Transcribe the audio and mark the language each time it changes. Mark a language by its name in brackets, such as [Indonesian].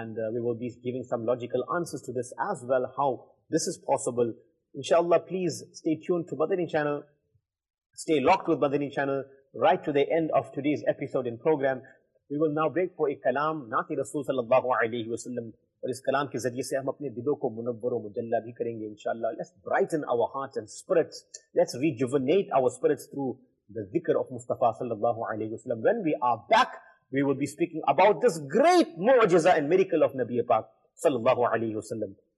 [English] And we will be giving some logical answers to this as well, how this is possible. Inshallah, please stay tuned to Madani Channel. Stay locked with Madani Channel right to the end of today's episode and program. We will now break for a kalam. Nati Rasul sallallahu alayhi wa sallam [Urdu] اور اس کلام کے ذریعے سے ہم اپنے دلوں کو منور و مجلہ بھی کریں گے انشاءاللہ. [English] Let's brighten our hearts and spirits. Let's rejuvenate our spirits through the dhikr of Mustafa sallallahu alayhi wa sallam. When we are back, we will be speaking about this great mu'jiza and miracle of Nabi Pak sallallahu alayhi wa sallam.